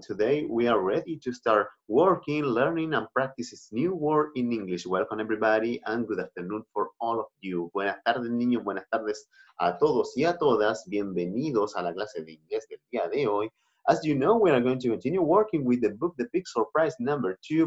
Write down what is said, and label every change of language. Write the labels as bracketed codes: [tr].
[en] Today, we are ready to start working, learning, and practicing this new word in English. Welcome, everybody, and good afternoon for all of you. [es] Buenas tardes, niños. Buenas tardes a todos y a todas. Bienvenidos a la clase de inglés del día de hoy. [en] As you know, we are going to continue working with the book, The Big Surprise Number 2.